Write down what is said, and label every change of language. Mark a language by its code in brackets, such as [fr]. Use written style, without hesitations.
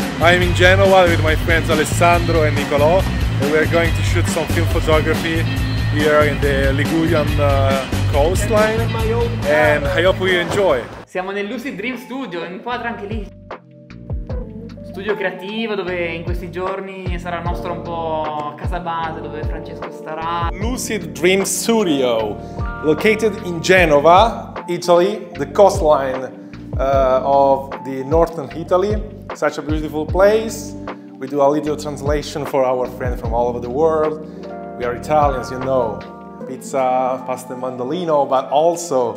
[en] I'm in Genova with my friends Alessandro and Nicolò, and we're going to shoot some film photography here in the Ligurian coastline. And I hope you enjoy. [it] Siamo nel Lucid Dream Studio, inquadra anche lì. Studio creativo dove in questi giorni sarà il nostro un po' casa base, dove Francesco starà. [en] Lucid Dream Studio, located in Genova, Italy, the coastline of the northern Italy. Such a beautiful place. We do a little translation for our friends from all over the world. We are Italians, you know. Pizza, pasta and mandolino, but also...